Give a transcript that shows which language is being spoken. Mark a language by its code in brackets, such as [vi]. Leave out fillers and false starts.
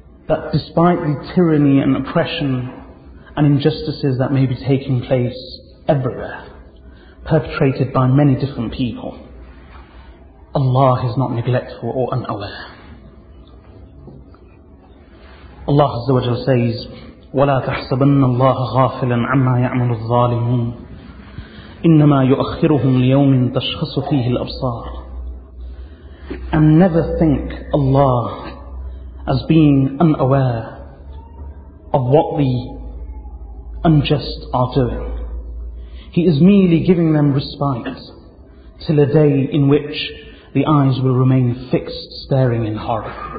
[en] that despite the tyranny and oppression and injustices that may be taking place everywhere, perpetrated by many different people, Allah is not neglectful or unaware. Allah Azza wa Jal says, [ar] وَلَا تَحْسَبَنَّ اللَّهَ غَافِلًا عَمَّا يَعْمَلُ الظَّالِمُونَ إِنَّمَا يُؤَخِّرُهُمْ لِيَوْمٍ تَشْخَصُ فِيهِ الْأَبْصَارِ. [en] And never think Allah as being unaware of what the unjust are doing. He is merely giving them respite till a day in which the eyes will remain fixed, staring in horror.